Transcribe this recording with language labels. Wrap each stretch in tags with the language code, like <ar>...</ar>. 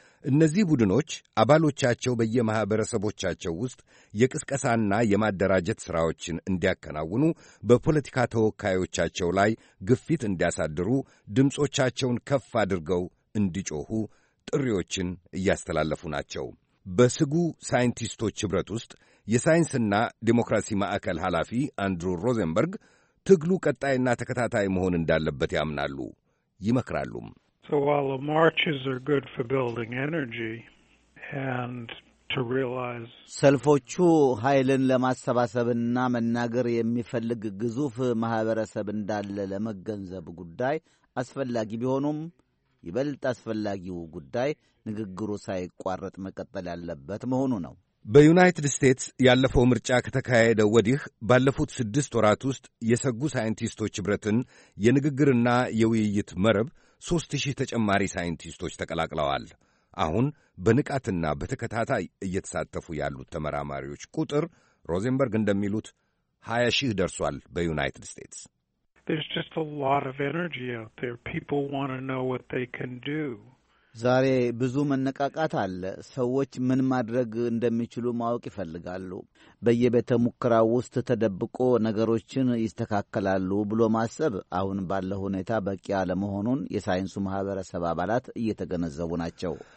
<am>እነዚህ ቡድኖች አባሎቻቸው በየማኅበረሰቦቻቸው ውስጥ የቅስቀሳና የማደራጀት ሥራዎችን እንዲያከናውኑ፣ በፖለቲካ ተወካዮቻቸው ላይ ግፊት እንዲያሳድሩ፣ ድምፆቻቸውን ከፍ አድርገው እንዲጮኹ ጥሪዎችን እያስተላለፉ ናቸው። በስጉ ሳይንቲስቶች ኅብረት ውስጥ የሳይንስና ዲሞክራሲ ማዕከል ኃላፊ አንድሩ ሮዘንበርግ ትግሉ ቀጣይና ተከታታይ መሆን እንዳለበት ያምናሉ፣ ይመክራሉም።</am> <en>So while the marches are good for building energy and to realize</en> <am>ሰልፎቹ ኃይልን ለማሰባሰብና መናገር የሚፈልግ ግዙፍ ማህበረሰብ እንዳለ ለመገንዘብ ጉዳይ አስፈልጊ ቢሆኑም ይበልጥ አስፈልጊው ጉዳይ ንግግሩ ሳይቋረጥ መቀጠል ያለበት መሆኑ ነው። በዩናይትድ ስቴትስ ያለፈው ምርጫ ከተካሄደ ወዲህ ባለፉት 6 ወራት ውስጥ የሰጉ ሳይንቲስቶች ህብረትን የንግግርና የውይይት መረብ 3000 ተጨማሪ ሳይንቲስቶች ተቀላቅለዋል። አሁን በንቃትና በተከታታይ እየተሳተፉ ያሉት ተመራማሪዎች ቁጥር ሮዘንበርግ እንደሚሉት 20000 ደርሷል። በዩናይትድ ስቴትስ</am> <en>There's just a lot of energy out there. People want to know what they can do.</en> <am>ዛሬ ብዙ መነቃቃት አለ። ሰዎች ምን ማድረግ እንደሚችሉ ማወቅ ይፈልጋሉ። በየቤተ ሙከራው ውስጥ ተደብቆ ነገሮችን ይስተካከላሉ ብሎ ማሰብ አሁን ባለው ሁኔታ በቂ አለመሆኑን የሳይንሱ ማህበረሰብ አባላት እየተገነዘቡ ናቸው።</am>